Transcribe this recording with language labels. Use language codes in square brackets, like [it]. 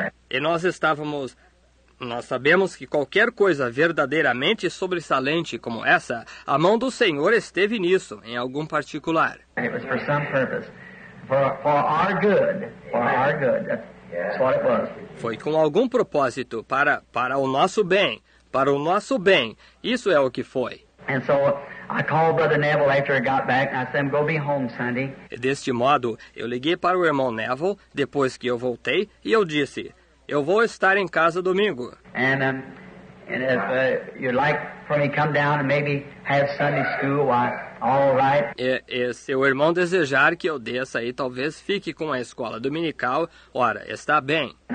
[pt] E nós estávamos... Nós sabemos que qualquer coisa verdadeiramente sobressalente como essa, a mão do Senhor esteve nisso, em algum particular. [en] It was for some purpose. For our good. That's what it was. [pt] Foi com algum propósito, para o nosso bem. Para o nosso bem. Isso é o que foi. [en] And so I called Brother Neville after I got back, and I said, go be home Sunday. [pt] E deste modo, eu liguei para o irmão Neville depois que eu voltei, e eu disse, eu vou estar em casa domingo. [en] And if you'd like for me to come down and maybe have Sunday school, all right. [pt] E se o irmão desejar que eu desça aí, talvez fique com a escola dominical, ora, está bem.